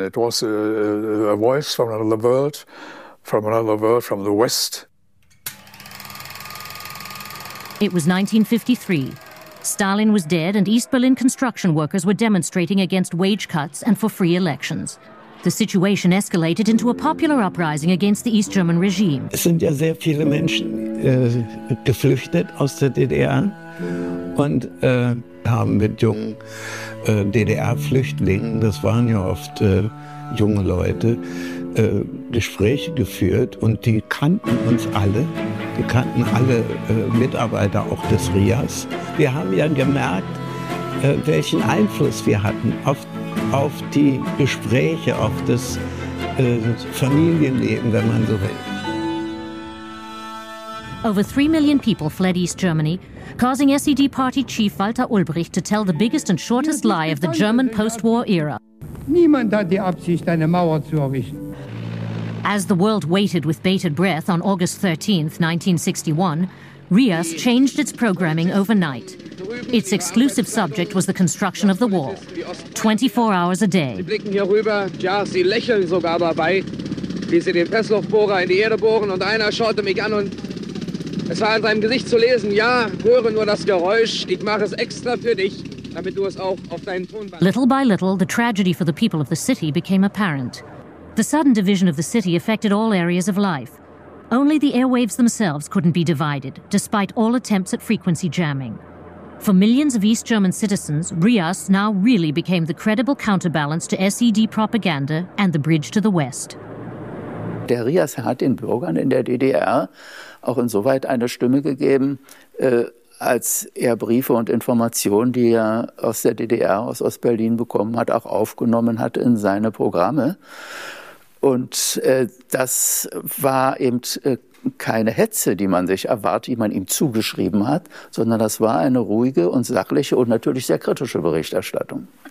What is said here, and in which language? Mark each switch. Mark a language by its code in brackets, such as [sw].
[en] It was a voice from another world, from the West. It was 1953. Stalin was dead and East Berlin construction workers were demonstrating against wage cuts and for free elections. The situation escalated into a popular uprising against the East German regime. [de] Es sind ja sehr viele Menschen geflüchtet aus der DDR und haben mit jungen DDR-Flüchtlingen, das waren ja oft junge Leute, Gespräche geführt und die kannten uns alle. Die kannten alle Mitarbeiter auch des RIAS. Wir haben ja gemerkt, welchen Einfluss wir hatten auf die Gespräche, auf das Familienleben, wenn man so will. [en] Over 3 million people fled East Germany, causing SED Party Chief Walter Ulbricht to tell the biggest and shortest lie of the German post-war era. [de] Niemand hat die Absicht, eine Mauer zu errichten. [en] As the world waited with bated breath on August 13th, 1961, RIAS changed its programming overnight. Its exclusive subject was the construction of the wall, 24 hours a day. [de] Sie blicken hier rüber, ja, sie lächeln sogar dabei, wie sie den Presslufbohrer in die Erde bohren. Und einer schaute mich an und es war in seinem Gesicht zu lesen, ja, höre nur das Geräusch, ich mache es extra für dich, damit du es auch auf deinen Tonband... [en] Little by little, the tragedy for the people of the city became apparent. The sudden division of the city affected all areas of life. Only the airwaves themselves couldn't be divided, despite all attempts at frequency jamming. For millions of East German citizens, RIAS now really became the credible counterbalance to SED propaganda and the bridge to the West. [de] Der RIAS hat den Bürgern in der DDR auch insoweit eine Stimme gegeben, als er Briefe und Informationen, die er aus der DDR, aus Ost-Berlin bekommen hat, auch aufgenommen hat in seine Programme. Und das war eben keine Hetze, die man sich erwartet, die man ihm zugeschrieben hat, sondern das war eine ruhige und sachliche und natürlich sehr kritische Berichterstattung.